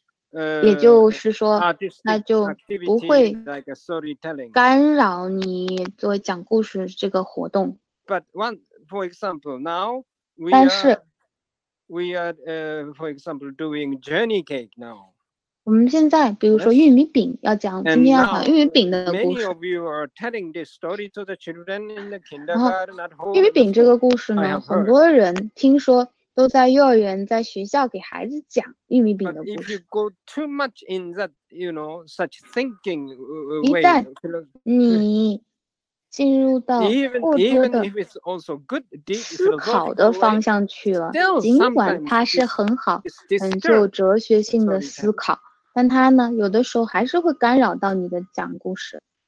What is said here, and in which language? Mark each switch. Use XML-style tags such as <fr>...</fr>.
<zh>那也就是说，那就不会干扰你作为讲故事这个活动。</zh> <en>But one. For example, now for example, doing journey cake now.</en> <zh>我们现在比如说玉米饼要讲今天要讲玉米饼的故事。</zh> <en>Many of you are telling this story to the children in the kindergarten at home.</en> <zh>玉米饼这个故事呢，很多人听说都在幼儿园、在学校给孩子讲玉米饼的故事。</zh> <en>But if you go too much in that, you know, such thinking way,</en> <zh>一旦你进入到过多的思考的方向去了，尽管它是很好，很具有哲学性的思考，但它呢，有的时候还是会干扰到你的讲故事。</zh>